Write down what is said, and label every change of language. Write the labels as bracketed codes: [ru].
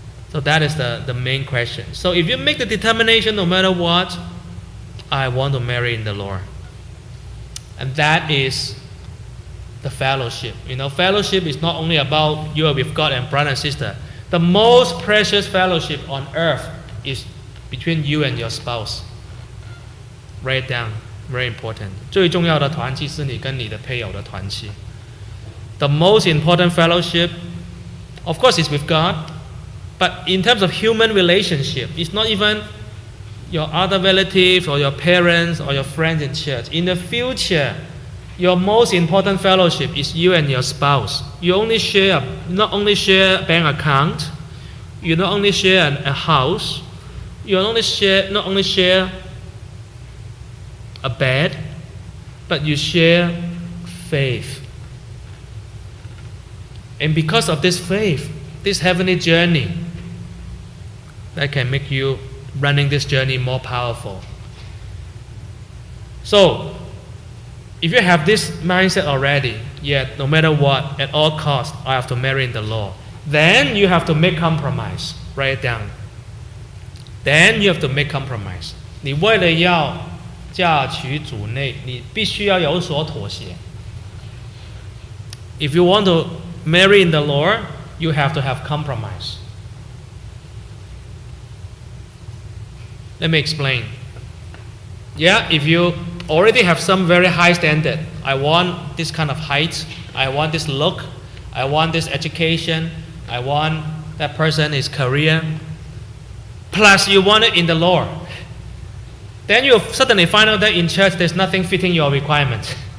[en] So that is the main question. So if you make the determination, no matter what, I want to marry in the Lord. And that is the fellowship. You know, fellowship is not only about you with God and brother and sister. The most precious fellowship on earth is between you and your spouse. Write it down. Very important. [zh] 最重要的团契是你跟你的配偶的团契. [en] The most important fellowship, of course, is with God. But in terms of human relationship, it's not even your other relatives or your parents or your friends in church. In the future, your most important fellowship is you and your spouse. You only share, not only share a bank account, you not only share a house, you only share, not only share a bed, but you share faith. And because of this faith, this heavenly journey, that can make you running this journey more powerful. So, if you have this mindset already, yet no matter what, at all costs, I have to marry in the Lord, then you have to make compromise. Write it down. then you have to make compromise. [zh] 你为了要嫁娶主内，你必须要有所妥协。 [en] If you want to marry in the Lord, you have to have compromise. Let me explain. Yeah, if you already have some very high standard, I want this kind of height, I want this look, I want this education, I want that person is career, plus you want it in the Lord, then you suddenly find out that in church there's nothing fitting your requirements.